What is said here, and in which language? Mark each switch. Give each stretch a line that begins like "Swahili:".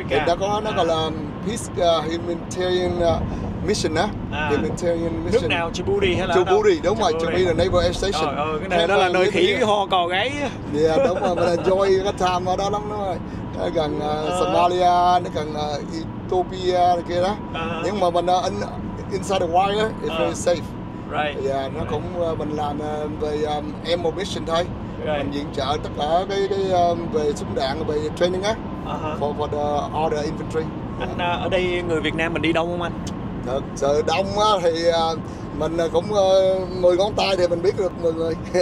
Vietnamese: Thì đã có nó gọi là Peace Humanitarian Mission á.
English: Humanitarian Mission.
Vietnamese: Nước nào? Djibouti hay là Djibouti, đúng rồi. Djibouti là Naval Air Station. Cái này đó là nơi khỉ ho cò gáy. Dạ yeah, đúng rồi, mình enjoy cái time ở đó lắm đó. Gần Somalia, gần Ethiopia kia đó. Nhưng mà mình
English: inside the wire, it's very safe. Right. Yeah, nó right.
Vietnamese: Cũng mình làm về ammo mission thôi.
English: Right.
Vietnamese: Mình viện trợ tất cả cái về súng đạn, về training á.
English: For the order infantry.
Vietnamese: Anh ở đây người Việt Nam mình đi đông không anh? Thật sự đông á thì mình cũng 10 ngón tay thì mình biết được 10 người.